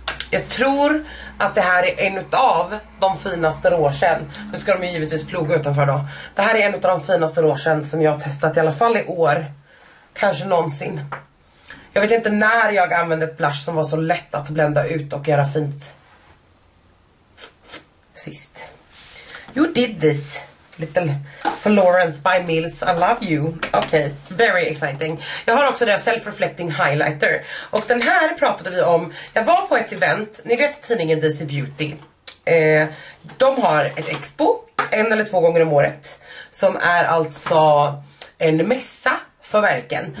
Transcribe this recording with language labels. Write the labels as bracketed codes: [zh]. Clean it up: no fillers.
[sv] Jag tror att det här är en av de finaste råsen. Nu ska de ju givetvis ploga utanför då. Det här är en av de finaste råsen som jag har testat i alla fall i år. Kanske någonsin. Jag vet inte när jag använde ett blush som var så lätt att blända ut och göra fint. [en] Sist. You did this. Little Florence by Mills, I love you. Okej, very exciting. [sv] Jag har också deras self-reflecting highlighter. Och den här pratade vi om. Jag var på ett event, ni vet tidningen DC Beauty. De har ett expo, en eller två gånger om året. Som är alltså en mässa för verken.